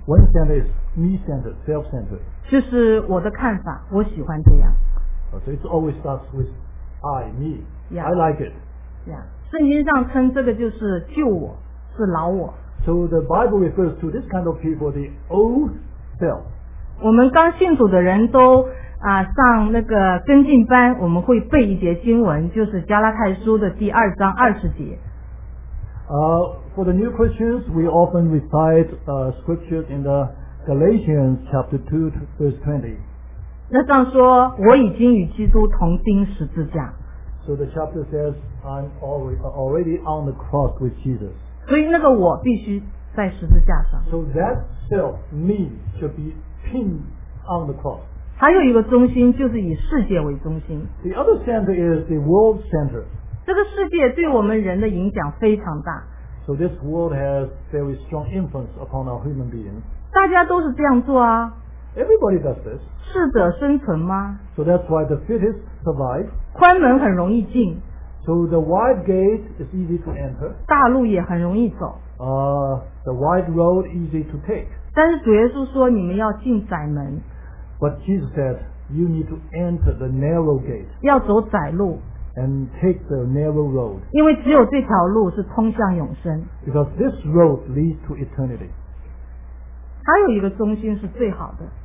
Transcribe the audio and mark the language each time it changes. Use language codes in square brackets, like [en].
[en] One center is me-centered, self-centered. [zh] 就是我的看法，我喜欢这样。 [en] So it always starts with I, me. Yeah. I like it. Yeah. [zh] 圣经上称这个就是旧我，是老我。 [en] So the Bible refers to this kind of people, the old self. [zh] 我们刚信主的人都啊，上那个跟进班，我们会背一节经文，就是加拉太书的第二章二十节。 [en] For the new Christians, we often recite scriptures in the Galatians chapter 2 verse 20. [zh] 那章说，我已经与基督同钉十字架。 [en] So the chapter says, I'm already on the cross with Jesus. [zh] 所以那个我必须在十字架上。 [en] So that self, me, should be pinned on the cross. [zh] 还有一个中心就是以世界为中心。 [en] The other center is the world center. [zh] 这个世界对我们人的影响非常大。 [en] So this world has very strong influence upon our human being. [zh] 大家都是这样做啊。 [en] Everybody does this. [zh] 适者生存吗？ [en] So that's why the fittest survive. [zh] 宽门很容易进。 [en] So the wide gate is easy to enter. [zh] 大路也很容易走。 [en] The wide road easy to take. [zh] 但是主耶稣说你们要进窄门。 [en] But Jesus said, you need to enter the narrow gate. [zh] 要走窄路。 [en] And take the narrow road. [zh] 因为只有这条路是通向永生。 [en] Because this road leads to eternity. [zh] 还有一个中心是最好的。